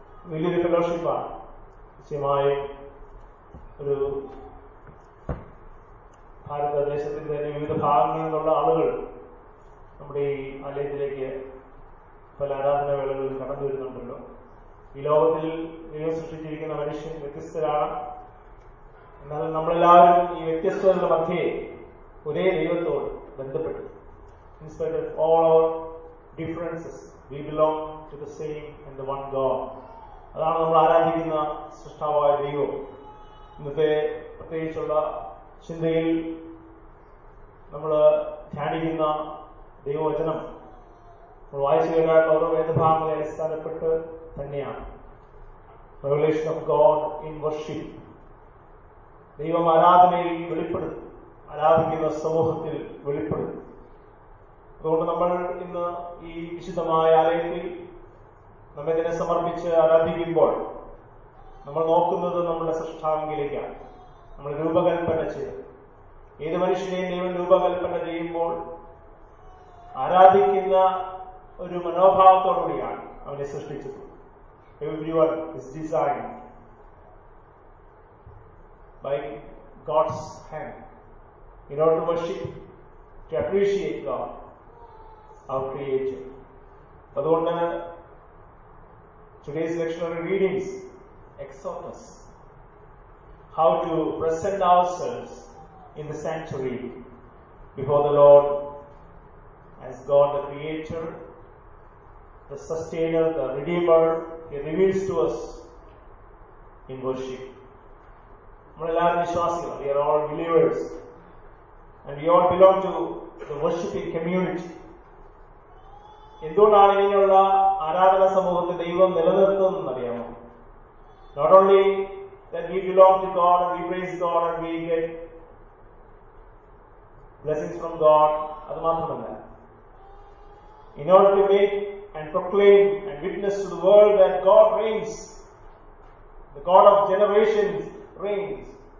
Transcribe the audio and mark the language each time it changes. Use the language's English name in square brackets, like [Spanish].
[Malayalam] വലിയൊരു ഫെലോഷിപ്പാണ്, നിശ്ചയമായ ഒരു ഭാരതദേശത്തിന്റെ തന്നെ വിവിധ ഭാഗങ്ങളിൽ നിന്നുള്ള ആളുകൾ നമ്മുടെ ഈ ആലയത്തിലേക്ക് പല ആരാധനാ വേളകളിൽ കടന്നു വരുന്നുണ്ടല്ലോ. ഈ ലോകത്തിൽ ദൈവം സൃഷ്ടിച്ചിരിക്കുന്ന മനുഷ്യൻ വ്യത്യസ്തരാണ്. എന്നാൽ നമ്മളെല്ലാവരും ഈ വ്യത്യസ്തരുടെ മധ്യയെ ഒരേ ദൈവത്തോട് ബന്ധപ്പെട്ടു. [English] In spite of all our differences, we belong to the same and the one God. [Malayalam] അതാണ് നമ്മൾ ആരാധിക്കുന്ന സൃഷ്ടാവായ ദൈവം. ഇന്നത്തെ പ്രത്യേകിച്ചുള്ള ചിന്തയിൽ നമ്മൾ ധ്യാനിക്കുന്ന ദൈവവചനം നമ്മൾ വായിച്ചു കഴിഞ്ഞാൽ ഓരോ വേദഭാഗങ്ങളെ അടിസ്ഥാനപ്പെട്ട് തന്നെയാണ്. [English] revelation of God in worship, [Malayalam] ദൈവം ആരാധനയിൽ വെളിപ്പെടും, ആരാധിക്കുന്ന സമൂഹത്തിൽ വെളിപ്പെടും. അതുകൊണ്ട് നമ്മൾ ഇന്ന് ഈ വിശുദ്ധമായ ആലയത്തിൽ നമ്മെ തന്നെ സമർപ്പിച്ച് ആരാധിക്കുമ്പോൾ നമ്മൾ നോക്കുന്നത് നമ്മുടെ സൃഷ്ടാവിലേക്കാണ്. നമ്മൾ രൂപകൽപ്പന ചെയ്ത് ഏത് മനുഷ്യനെയും ദൈവം രൂപകൽപ്പന ചെയ്യുമ്പോൾ ആരാധിക്കുന്ന ഒരു മനോഭാവത്തോടുകൂടിയാണ് അവനെ സൃഷ്ടിച്ചത്. [English] Everyone is designed by God's hand in order to worship, to appreciate God our creator. Adonna today's lectionary readings exhort us how to present ourselves in the sanctuary before the Lord as God the creator, the sustainer, the redeemer. He reveals to us in worship. [Malayalam] Nammellaru vishwasigal, [English] we are all believers and we all belong to the worshiping community. [Malayalam] എന്തുകൊണ്ടാണ് ഇങ്ങനെയുള്ള ആരാധന സമൂഹത്തിൽ ദൈവം നിലനിർത്തുന്നതെന്ന് അറിയാമോ? [English] not only that we belong to God, we praise God and we get blessings from God, [Malayalam] അത് മാത്രമല്ല, [English] In order to make and proclaim and witness to the world that God reigns, the God of generations reigns.